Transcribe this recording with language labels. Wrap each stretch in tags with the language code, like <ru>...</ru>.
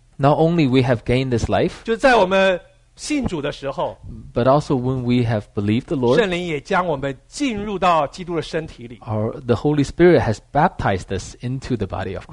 <en>not only we have gained this life,</en> <zh>就在我们 信主的时候,</zh> <en>but also when we have believed the Lord,</en> <zh>圣灵也将我们进入到基督的身体里,</zh> <en>our, the Holy Spirit has baptized us into the body of Christ.</en>